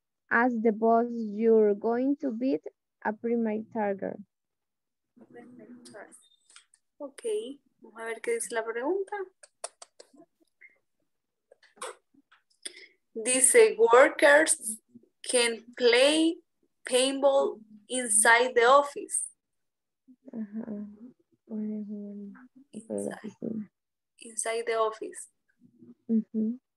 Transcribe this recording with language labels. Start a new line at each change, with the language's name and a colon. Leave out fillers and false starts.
English: As the boss, you're going to beat a primary target.
Spanish: Ok, vamos a ver qué dice la pregunta. Dice,
English: workers can play paintball inside the office. Inside the office. Mm-hmm.